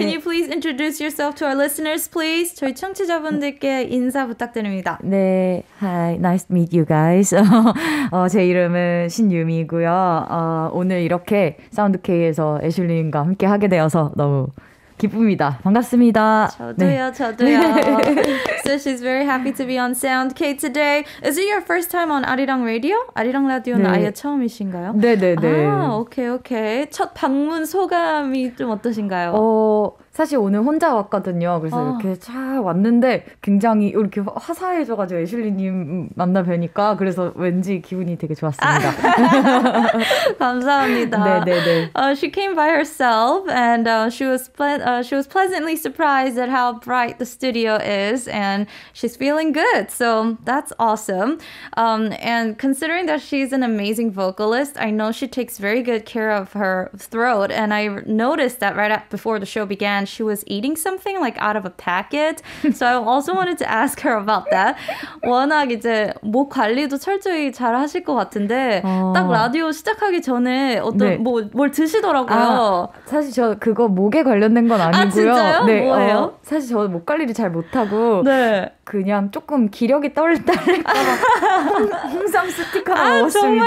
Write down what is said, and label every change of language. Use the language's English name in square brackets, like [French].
[English] Can you please introduce yourself to our listeners, please? [Korean] 저희 청취자분들께 인사 부탁드립니다. 네, [English] hi, nice to meet you guys. [Korean] 제 이름은 신유미이고요. 오늘 이렇게 사운드K에서 애슐린과 함께 하게 되어서 너무 기쁩니다. 반갑습니다. 저도요, 네. 저도요. [English] So she's very happy to be on Sound K today. Is it your first time on 아리랑 라디오? [Korean] 아리랑 라디오는 네. 아예 처음이신가요? 네. 아, 오케이, 오케이. 첫 방문 소감이 좀 어떠신가요? 사실 오늘 혼자 왔거든요. 그래서 이렇게 차 왔는데 굉장히 이렇게 화사해져가지고 애슐리님 만나 뵈니까 그래서 왠지 기분이 되게 좋았습니다. 감사합니다. 네. [English] She came by herself and she was pleasantly surprised at how bright the studio is and she's feeling good. So that's awesome. And considering that she's an amazing vocalist, I know she takes very good care of her throat and I noticed that right before the show began. And she was eating something like out of a packet. So I also wanted to ask her about that. [Korean] 워낙 이제 목 관리도 철저히 잘 하실 것 같은데 딱 라디오 시작하기 전에 어떤 네. 뭘 드시더라고요. 사실 저 그거 목에 관련된 건 아니고요. 아, 진짜요? 네, 뭐예요? 사실 저 목 관리를 잘 못하고 네. 그냥 조금 기력이 떨릴까봐 홍삼 스틱 하나 먹었습니다.